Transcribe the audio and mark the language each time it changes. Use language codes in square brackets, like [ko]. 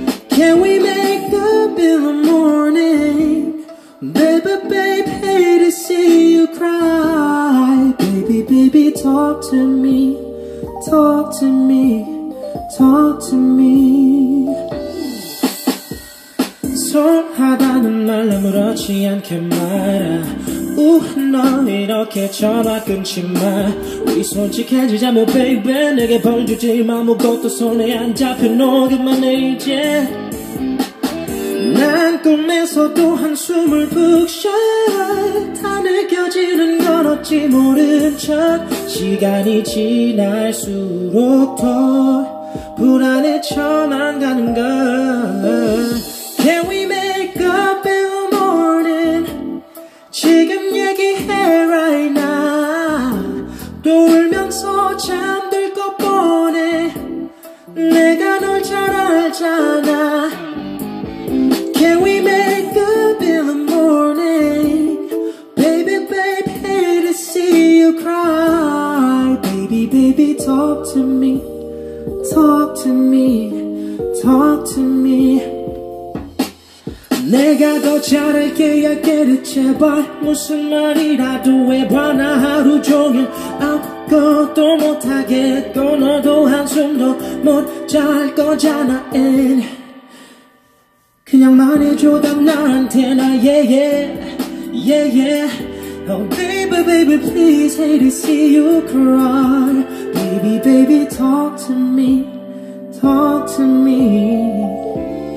[en] Can we make up in the morning? Baby, babe, hate to see you cry. Baby, baby, talk to me, talk to me, talk to me. [ko] 서운하다는 말 아무렇지 않게 말아. 넌 이렇게 전화 끊지 마. 우리 솔직해지자 뭐 baby 내게 벌 주지 마. 아무것도 손에 안 잡혀 녹음만 해 이제. 난 꿈에서도 한숨을 푹 쉬어. 다 느껴지는 건 어찌 모른 척. 시간이 지날수록 더 불안해져 난 가는 걸. [en] Can we make up in the morning? [ko] 지금 얘기해 [en] right now. [ko] 떠올면서 잠들 것 뻔해. 내가 널 잘 알잖아. [en] Can we make up in the morning? Baby, babe, hate to see you cry. Baby, baby, talk to me. Talk to me. Talk to me. [ko] 내가 더 잘할게. 약해도 제발 무슨 말이라도 해봐. 나 하루 종일 아무것도 못하겠고 너도 한숨도 못 잘 거잖아. And 그냥 말해줘 다 나한테 나. [en] Yeah yeah yeah yeah. Oh baby baby please hate to see you cry. Baby baby talk to me, talk to me.